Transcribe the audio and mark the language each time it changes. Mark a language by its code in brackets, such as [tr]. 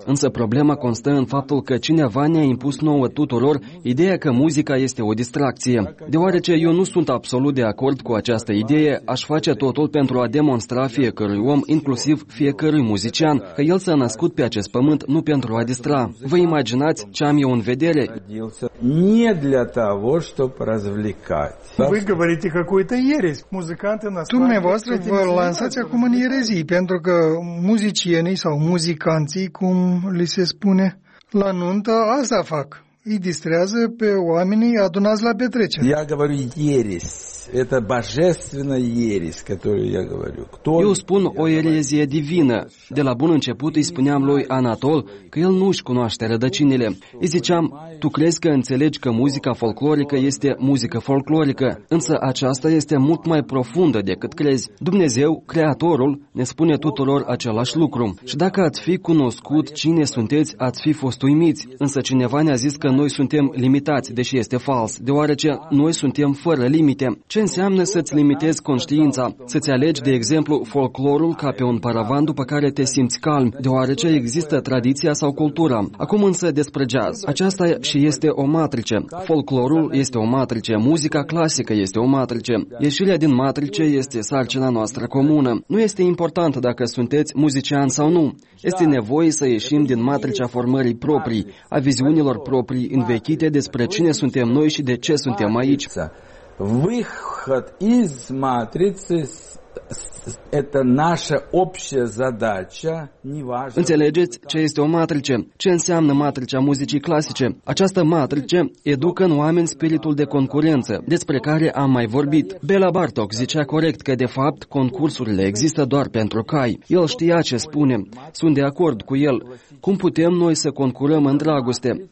[ro] Însă problema constă în faptul că cineva ne-a impus nouă tuturor ideea că muzica este o distracție. Deoarece eu nu sunt absolut de acord cu această idee, aș face totul pentru a demonstra fiecărui om, inclusiv fiecărui muzician, că el s-a născut pe acest pământ nu pentru a distra. Vă imaginați ce am eu în vedere? [ru] Не для того, чтобы развлекать. Вы говорите какую-то ересь. Музыканты на самом деле... [ro] Dumneavoastră vă lansați acum în erezii, pentru că muzicienii sau muzicanții, cum li se spune, La nuntă asta fac. Îi distrează pe oamenii adunați la petrecere. [ru] Я говорю ересь. Это божественная ересь, которую я говорю. Кто? [ro] Eu spun o erezie divină. De la bun început îi spuneam lui Anatol că el nu își cunoaște rădăcinile. Îi ziceam, tu crezi că înțelegi că muzica folclorică este muzică folclorică, însă aceasta este mult mai profundă decât crezi. Dumnezeu, Creatorul, ne spune tuturor același lucru. Și dacă ați fi cunoscut cine sunteți, ați fi fost uimiți. Însă cineva ne-a zis că noi suntem limitați, deși este fals, deoarece noi suntem fără limite. Ce înseamnă să-ți limitezi conștiința? Să-ți alegi, de exemplu, folclorul ca pe un paravan după care te simți calm, deoarece există tradiția sau cultura. Acum însă despre jazz. Aceasta și este o matrice. Folclorul este o matrice, muzica clasică este o matrice. Ieșirea din matrice este sarcina noastră comună. Nu este important dacă sunteți muzician sau nu. Este nevoie să ieșim din matricea formării proprii, a viziunilor proprii învechite despre cine suntem noi și de ce suntem aici. [ru] Выход из матрицы – это наша общая задача. [ro] Înțelegeți ce este o matrice? Ce înseamnă matricea muzicii clasice? Această matrice educă în oameni spiritul de concurență, despre care am mai vorbit. Béla Bartók zicea corect că, de fapt, concursurile există doar pentru cai. El știa ce spune. Sunt de acord cu el. Cum putem noi să concurăm în dragoste?